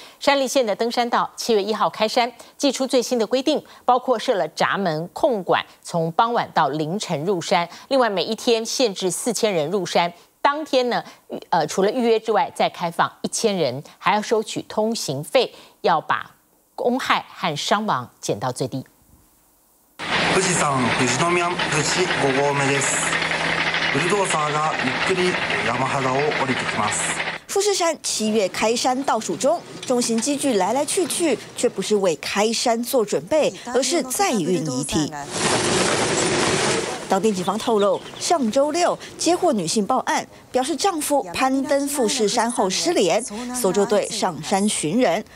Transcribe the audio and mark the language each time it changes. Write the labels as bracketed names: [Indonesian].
[Chinese] 山梨县的登山道7月1号开山，祭出最新的规定，包括设了闸门控管，从傍晚到凌晨入山，另外每一天限制4000人入山，当天呢，除了预约之外再开放1000人，还要收取通行费，要把公害和伤亡减到最低。 [Japanese] 富士山富士宮富士五合目です。ブルドーザーがゆっくり山肌を降りてきます。 [Chinese] 富士山七月开山倒数中，重型机具来来去去，却不是为开山做准备，而是载运遗体。当地警方透露，上周六接获女性报案，表示丈夫攀登富士山后失联，搜救队上山寻人。